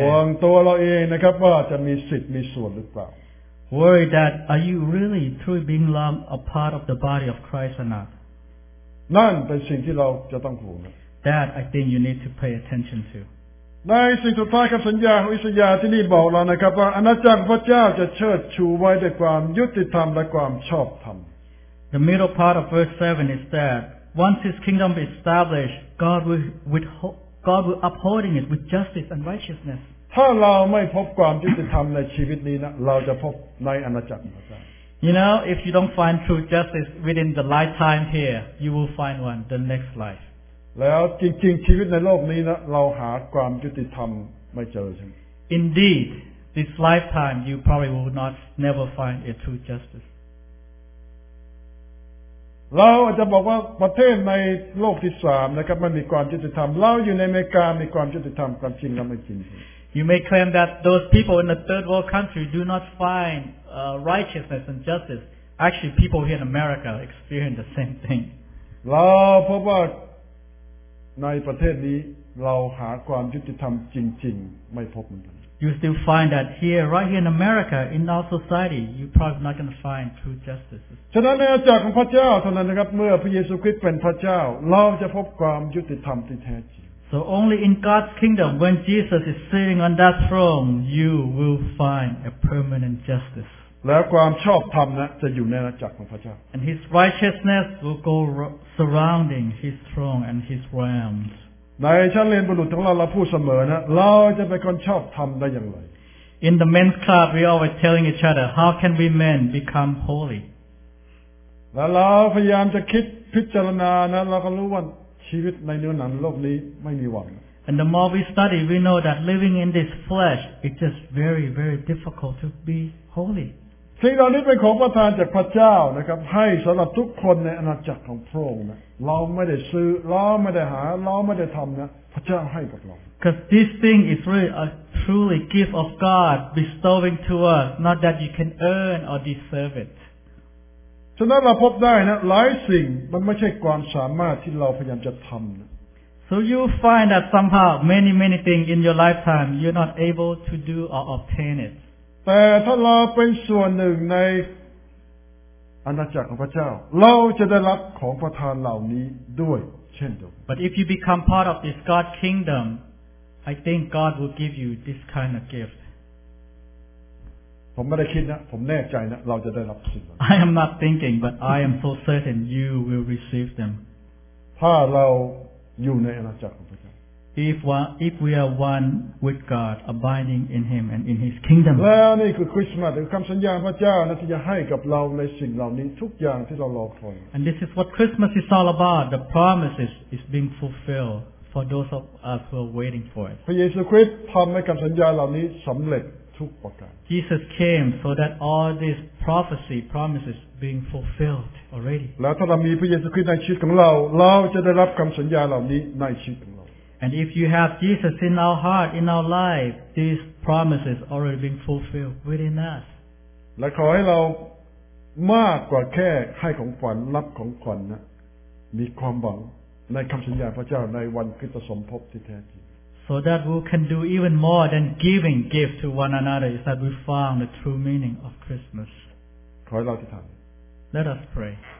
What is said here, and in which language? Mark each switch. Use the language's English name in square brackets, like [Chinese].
[Thai] ห่วงตัวเราเองนะครับว่าจะมีสิทธิ์มีส่วนหรือเปล่า [English] Worry that are you really truly being loved a part of the body of Christ or not [Thai] นั่นเป็นสิ่งที่เราจะต้องห่วง [English] That I think you need to pay attention to [Thai] ในสิ่งสุดท้ายคำสัญญาของอิสยาห์ที่นี่บอกเรานะครับว่าอาณาจักรพระเจ้าจะเชิดชูไว้ด้วยความยุติธรรมและความชอบธรรม [English] The middle part of verse 7 is that once His kingdom is established, God will upholding it with justice and righteousness. [Thai] ถ้าเราไม่พบความยุติธรรมในชีวิตนี้นะเราจะพบในอาณาจักรพระเจ้า [English] You know, if you don't find true justice within the lifetime here, you will find one the next life. [Thai] แล้วจริงๆชีวิตในโลกนี้นะเราหาความยุติธรรมไม่เจอใช่ไหม [English] Indeed, this lifetime you probably will not never find a true justice. [Thai] เราอาจจะบอกว่าประเทศในโลกที่สามนะครับมันมีความยุติธรรมเราอยู่ในอเมริกามีความยุติธรรมความจริงเราไม่จริง [English] You may claim that those people in the third world country do not find righteousness and justice. Actually, people here in America experience the same thing. [Thai] เราพบว่าในประเทศนี้เราหาความยุติธรรมจริงๆไม่พบ [English] You still find that here, right here in America, in our society, you're probably not going to find true justice. [Thai] ฉะนั้นในอาณาจักรของพระเจ้าเท่านั้นนะครับเมื่อพระเยซูคริสต์เป็นพระเจ้าเราจะพบความยุติธรรมที่แท้จริง [English] So only in God's kingdom, when Jesus is sitting on that throne, you will find a permanent justice. [Thai] และความชอบธรรมนะจะอยู่ในอาณาจักรของพระเจ้า [English] And His righteousness will goSurrounding His throne and His realms. [Thai] ในชั้นเรียนบุรุษของเราเราพูดเสมอนะเราจะเป็นคนชอบธรรมได้อย่างไร [English] In the men's club, we always telling each other, how can we men become holy? [Thai] และเราพยายามจะคิดพิจารณานะเราก็รู้ว่าชีวิตในเนื้อหนังโลกนี้ไม่มีหวัง [English] And the more we study, we know that living in this flesh, it's just very, very difficult to be holy. [Thai] สิ่งเหล่านี้เป็นของประทานจากพระเจ้านะครับให้สำหรับทุกคนในอาณาจักรของพระองค์นะเราไม่ได้ซื้อเราไม่ได้หาเราไม่ได้ทำนะพระเจ้าให้กับเรา [English] Because this thing is really a truly gift of God bestowing to us, not that you can earn or deserve it. [Thai] ฉะนั้นเราพบได้นะหลายสิ่งมันไม่ใช่ความสามารถที่เราพยายามจะทำนะ [English] So you find that somehow many many things in your lifetime you're not able to do or obtain it. [Thai] แต่ถ้าเราเป็นส่วนหนึ่งในอาณาจักรของพระเจ้าเราจะได้รับของประทานเหล่านี้ด้วยเช่นเดียวกัน [English] But if you become part of this God's kingdom I think God will give you this kind of gift [Thai] ผมไม่ได้คิดนะผมแน่ใจนะเราจะได้รับสิ่งนั้น [English] I am not thinking but I am so certain you will receive them [Thai] ถ้าเราอยู่ในอาณาจักรของพระเจ้า [English] If we are one with God, abiding in Him and in His kingdom. [Thai] Well, นี่คือคริสต์มาสหรือคำสัญญาพระเจ้านะที่จะให้กับเราในสิ่งเหล่านี้ทุกอย่างที่เรารอคอย [English] And this is what Christmas is all about. The promises is being fulfilled for those of us who are waiting for it. [Thai] พระเยซูคริสต์ทำให้คำสัญญาเหล่านี้สำเร็จทุกประการ [English] Jesus came so that all these prophecy promises being fulfilled already. [Thai] แล้วถ้าเรามีพระเยซูคริสต์ในชีวิตของเราเราจะได้รับคำสัญญาเหล่านี้ในชีวิต [English] And if you have Jesus in our heart, in our life, these promises already being fulfilled within us. [Thai] และขอให้เรามากกว่าแค่ให้ของขวัญรับของขวัญนะมีความหวังในคำสัญญาพระเจ้าในวันคริสตสมภพที่แท้จริง [English] So that we can do even more than giving gifts to one another is that we found the true meaning of Christmas. [Thai] ขอให้เราอธิษฐาน [English] Let us pray.